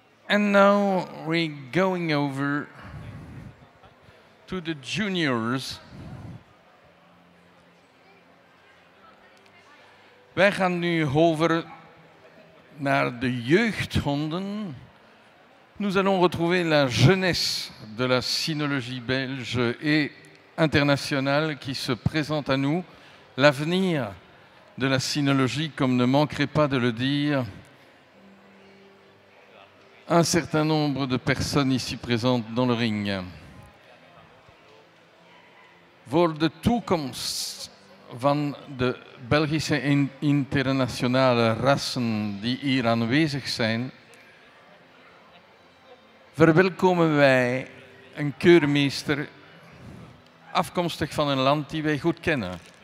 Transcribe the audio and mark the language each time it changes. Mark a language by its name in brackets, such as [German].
[English] And now we're going over to the juniors. [Dutch] Wij gaan nu over naar de jeugdhonden. [French] Nous allons retrouver la jeunesse de la cynologie belge et internationale qui se présente à nous. L'avenir de la cynologie, comme ne manquerait pas de le dire un certain nombre de personnes ici présentes dans le ring. [Dutch] Voor de toekomst van de Belgische internationale rassen die hier aanwezig zijn, verwelkomen wij een keurmeester afkomstig van een land die wij goed kennen.